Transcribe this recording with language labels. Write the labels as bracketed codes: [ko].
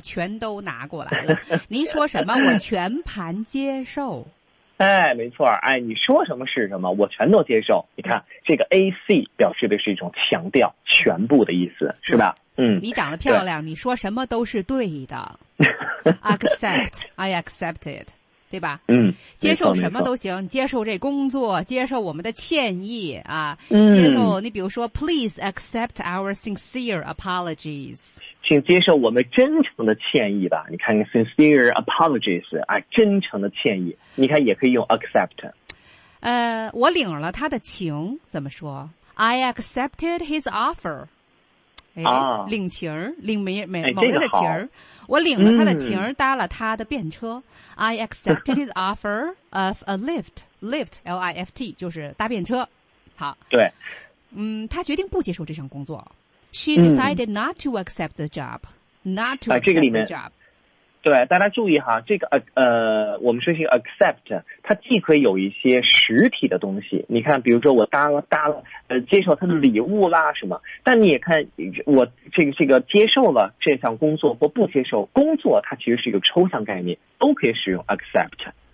[zh] 全都拿过来了。您说什么？我全盘接受。哎，没错，哎，你说什么是什么，我全都接受。你看这个 AC 表示的是一种强调，全部的意思，是吧？你长得漂亮，你说什么都是对的。 [en] Accept， I accept it， [zh] 对吧？接受什么都行，接受这工作，接受我们的歉意啊，接受，你比如说 [en] please accept our sincere apologies， [zh] 请接受我们真诚的歉意吧。你看 [en] sincere apologies [zh] 啊，真诚的歉意，你看也可以用 accept。我领了他的情，怎么说？ [en] I accepted his offer。 [zh] 领情，领某人的情，我领了他的情，搭了他的便车。 [en] I accepted his offer of a lift, L-I-F-T, [zh] 就是搭便车。好。对。他决定不接受这项工作。 [en] She decided not to accept the job. [zh] 这个里面。对，大家注意哈，这个我们说是 accept， 它既可以有一些实体的东西，你看比如说我答了接受他的礼物啦什么，但你也看我这个接受了这项工作或不接受工作，它其实是一个抽象概念，都可以使用 accept。